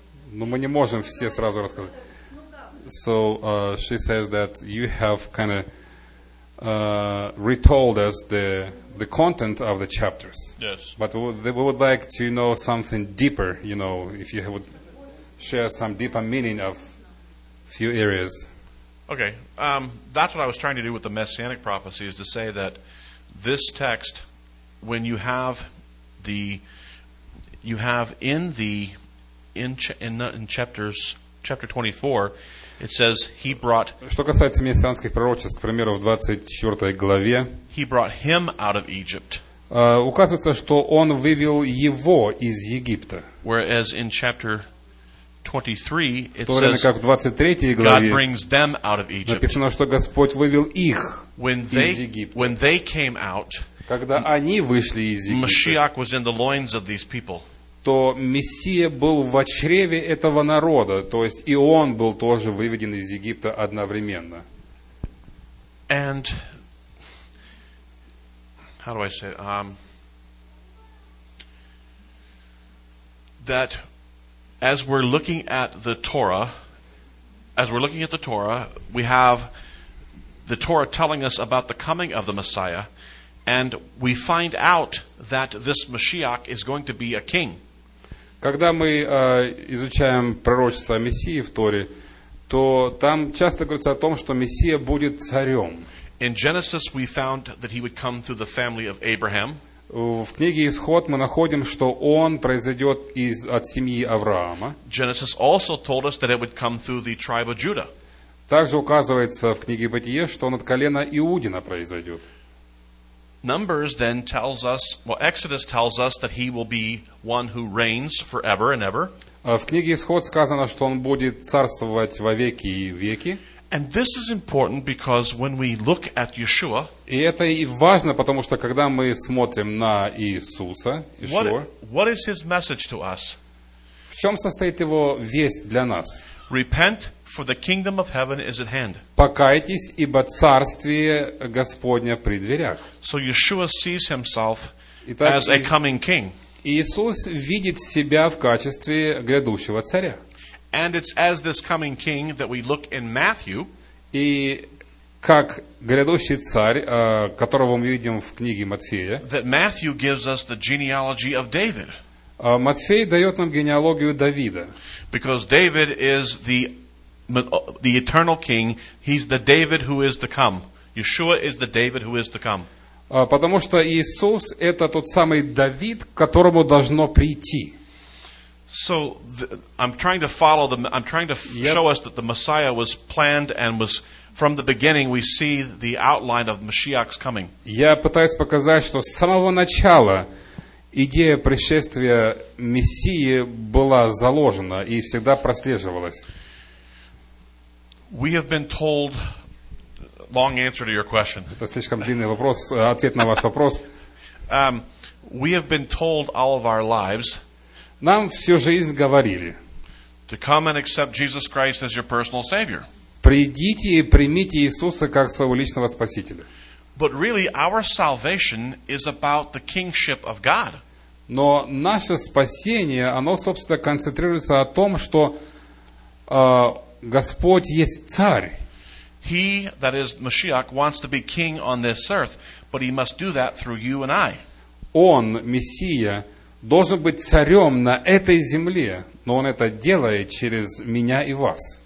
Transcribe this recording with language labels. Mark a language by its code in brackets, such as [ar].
[ru] Ну, мы не можем все сразу рассказать. [en] So, she says that you have kind of retold us the content of the chapters. Yes. But we would like to know something deeper, you know, if you would share some deeper meaning of few areas. Okay. That's what I was trying to do with the messianic prophecy, is to say that this text, when you have the, you have in the, in chapters, chapter 24, it says he brought. [ru] Что касается мессианских пророчеств, к примеру, в 24 главе. [en] He brought him out of Egypt. [ru] Указывается, что он вывел его из Египта. [en] Whereas in chapter 23, it says. [ru] В то время как в 23 главе. [en] God brings them out of Egypt. [ru] Написано, что Господь вывел их из Египта. [en] When they came out. [ru] Когда они вышли из Египта. [en] Mashiach was in the loins of these people. [ru] То Мессия был в чреве этого народа, то есть и он был тоже выведен из Египта одновременно. [en] And how do I say that as we're looking at the Torah, we have the Torah telling us about the coming of the Messiah, and we find out that this Mashiach is going to be a king. [ru] Когда мы изучаем пророчество о Мессии в Торе, то там часто говорится о том, что Мессия будет царем. [en] In Genesis we found that he would come through the family of Abraham. [ru] В книге Исход мы находим, что он произойдет из от семьи Авраама. [en] Genesis also told us that it would come through the tribe of Judah. [ru] Также указывается в книге Бытие, что он от колена Иудина произойдет. [en] Numbers then tells us, well, Exodus tells us that he will be one who reigns forever and ever. [ru] В книге Исход сказано, что он будет царствовать вовеки и веки. [en] And this is important because when we look at Yeshua, [ru] и это и важно, потому что когда мы смотрим на Иисуса, Yeshua, [en] what is his message to us? [ru] В чем состоит его весть для нас? [en] Repent, for the kingdom of heaven is at hand. [ru] Покайтесь, ибо царствие Господне при дверях. [en] So Yeshua sees himself as a coming king. [ru] Иисус видит себя в качестве грядущего царя. [en] And it's as this coming king that we look in Matthew. [ru] И как грядущий царь, которого мы видим в книге Матфея. [en] That Matthew gives us the genealogy of David. [ru] Матфей дает нам генеалогию Давида. [en] Because David is the eternal king, he's the David who is to come. Yeshua is the David who is to come. [ru] Потому что Иисус это тот самый Давид, к которому должно прийти. [en] So show us that the Messiah was planned and was from the beginning we see the outline of Mashiach's coming. [ru] Я пытаюсь показать, что с самого начала идея пришествия Мессии была заложена и всегда прослеживалась. [en] We have been told long answer to your question. [ru] Это слишком длинный вопрос, ответ на ваш вопрос. [en] We have been told all of our lives. [ru] Нам всю жизнь говорили. [en] To come and accept Jesus Christ as your personal savior. [ru] Придите и примите Иисуса как своего личного спасителя. [en] But really our salvation is about the kingship of God. [ru] Но наше спасение, оно, собственно, концентрируется о том, что Господь есть царь. [en] He, that is Mashiach, wants to be king on this earth, but he must do that through you and I. [ru] Он, Мессия, должен быть царем на этой земле, но он это делает через меня и вас.